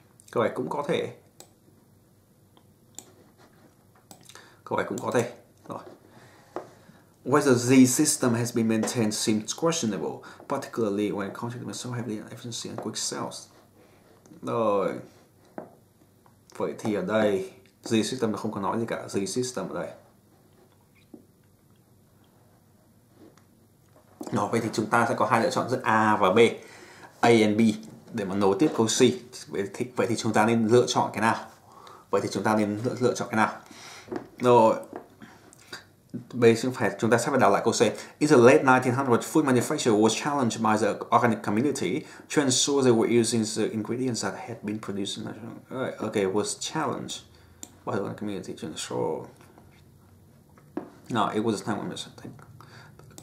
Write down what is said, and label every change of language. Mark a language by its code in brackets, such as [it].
[vi] Câu này cũng có thể. Câu này cũng có thể. Rồi. [en] Whether the system has been maintained seems questionable, particularly when contracting was so heavily on efficiency and quick sales. [vi] Rồi. Vậy thì ở đây, the system nó không có nói gì cả. The system ở đây. Rồi, vậy thì chúng ta sẽ có hai lựa chọn giữa A và B. A and B. Để mà nối tiếp câu C. Vậy thì chúng ta nên lựa chọn cái nào? Vậy thì chúng ta nên lựa chọn cái nào? Rồi, bây giờ chúng ta sẽ phải đảo lại câu C. [en] In the late 1900s, food manufacturer was challenged by the organic community to ensure they were using the ingredients that had been produced in the right. Okay, was challenged by the organic community to ensure. No, it was a time when we should take a